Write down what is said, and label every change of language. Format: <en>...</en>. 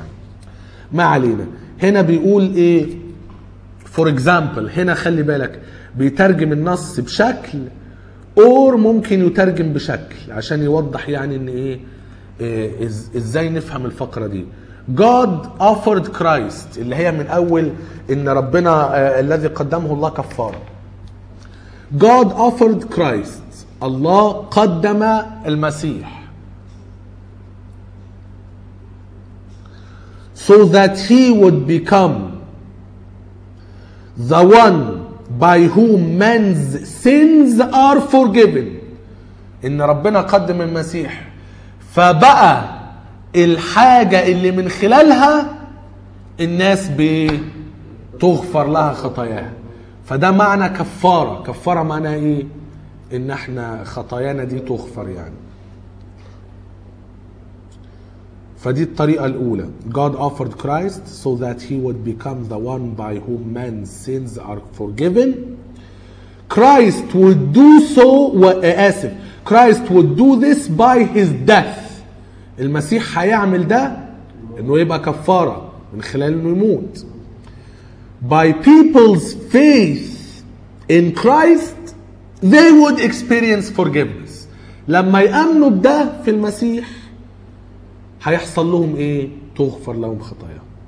<ar>يعني ما علينا. هنا بيقول ايه</ar> <en>for example،</en> <ar>هنا خلي بالك بيترجم النص بشكل اور ممكن يترجم بشكل عشان يوضح يعني ان ايه ازاي نفهم الفقرة دي.</ar> <en>God offered Christ</en> <ar>اللي هي من اول ان ربنا الذي قدمه الله كفارة.</ar> <en>God offered Christ،</en> <ar>الله قدم المسيح.</ar> <en>So that he would become the one by whom men's sins are forgiven.</en> <ar>إن ربنا قدم المسيح فبقى الحاجة اللي من خلالها الناس بتغفر لها خطاياها. فده معنى كفارة. كفارة معنى ايه؟ ان احنا خطايانا دي تغفر يعني. فدي الطريقة الاولى.</ar> <en>God offered Christ so that he would become the one by whom man's sins are forgiven. Christ would do so Christ would do this by his death.</en> <ar>المسيح هيعمل ده انه يبقى كفارة من خلال انه يموت.</ar> <en>By people's faith in Christ they would experience forgiveness.</en> <ar>لما يأمنوا بده في المسيح هيحصل لهم ايه؟ تغفر لهم خطايا.</ar>